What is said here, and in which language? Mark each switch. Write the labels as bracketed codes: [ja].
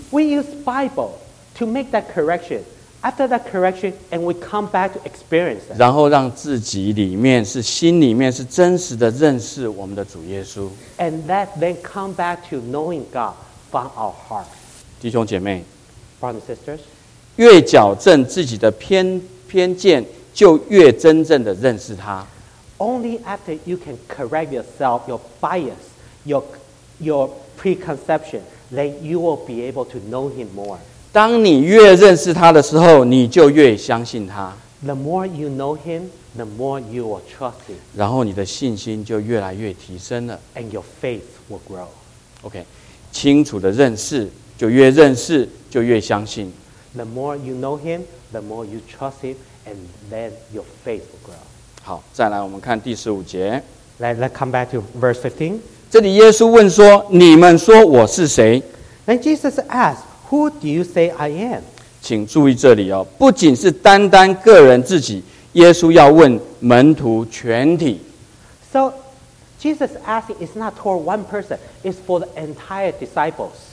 [en] We use Bible to make that correction. After that correction, and we come back to experience. [zh] 然后让自己里面是心里面是真实的认识我们的主耶稣。 [en] And that then come back to knowing God from our heart. [zh] 弟兄姐妹， [en] Brothers and sisters, [zh] 越矫正自己的偏见，就越真正的认识他。 [en] Only after you can correct yourself, your bias, your preconception, then you will be able to know him more. [zh] 当你越认识他的时候，你就越相信他。 [en] The more you know him, the more you will trust him. [zh] 然后你的信心就越来越提升了。 [en] And your faith will grow. [zh] OK， 清楚的认识。就越认识，就越相信。 [en] The more you know him, the more you trust him, and then your faith will grow. [zh] 好，再来我们看第十五节。 [en] Let's come back to verse 15. [zh] 这里耶稣问说：“你们说我是谁？” [en] Then Jesus asked, "Who do you say I am?" [zh] 请注意这里哦，不仅是单单个人自己，耶稣要问门徒全体。 [en] So Jesus asking is not toward one person; it's for the entire disciples.